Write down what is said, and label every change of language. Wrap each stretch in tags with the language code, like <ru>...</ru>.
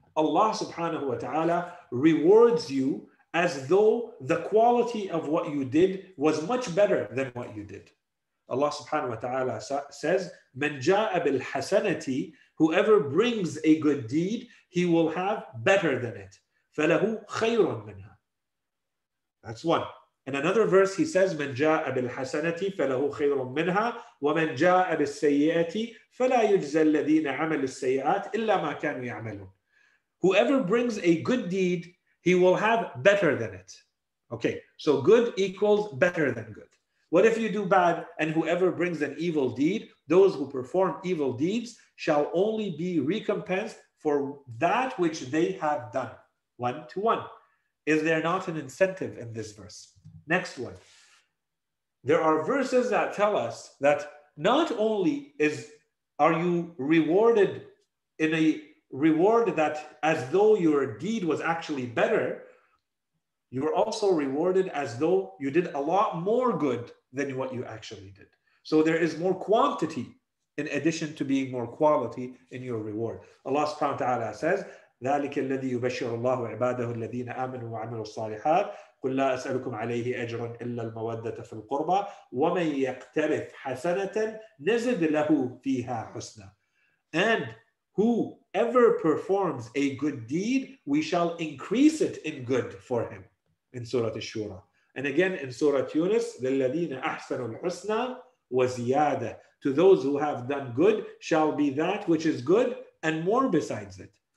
<en>Allah subhanahu wa ta'ala rewards you as though the quality of what you did was much better than what you did. Allah subhanahu wa ta'ala says,</en> <ar>"Man ja'a bil hasanati,"</ar> <en>whoever brings a good deed, he will have better than it.</en> <ar>فَلَهُ خَيْرٌ مِنْهَا.</ar> <en>That's one. In another verse, he says,</en> <ar>"Man ja'a bil hasanati فَلَهُ خَيْرٌ مِنْهَا وَمَن ja'a bil sayyati فَلَا يُجْزَى الَّذِينَ عَمَلُوا السَّيِّئَاتِ إِلَّا مَا كَانُوا يَعْمَلُونَ.</ar> <en>Whoever brings a good deed, he will have better than it. Okay, so good equals better than good. What if you do bad, and whoever brings an evil deed, those who perform evil deeds shall only be recompensed for that which they have done. One to one. Is there not an incentive in this verse? Next one. There are verses that tell us that not only are you rewarded in a reward that as though your deed was actually better, you were also rewarded as though you did a lot more good than what you actually did. So there is more quantity in addition to being more quality in your reward. Allah subhanahu wa ta'ala says,</en> <ar>ذَلِكَ الَّذِي يُبَشِّرُ اللَّهُ عِبَادَهُ الَّذِينَ آمَنُوا وَعَمِلُوا الصَّالِحَاتِ قُلْ لَا أَسْأَلُكُمْ عَلَيْهِ أَجْرًا إِلَّا الْمَوَدَّةَ فِي الْقُرْبَى وَمَنْ يَقْتَرِفْ حَسَنَةً نَزِدْ لَهُ فِيهَا حُسْنًا.</ar> <en>And whoever performs a good deed, we shall increase it in good for him. In Surah Ash-Shura. And again in Surah Yunus,</en> <ar>لِلَّذِينَ أَحْسَنُوا الْحُسْنَى وَزِيَادَةً.</ar> <en>To those who have done good shall be that which is good and more besides it.</en>